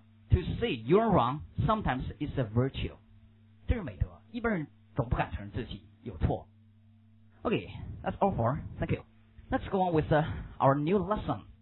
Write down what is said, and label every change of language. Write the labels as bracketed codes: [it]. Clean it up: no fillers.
[en] To say you're wrong sometimes is a virtue， [zh] 这是美德。一般人总不敢承认自己有错。 [en] OK, that's all for. Thank you. Let's go on with our new lesson.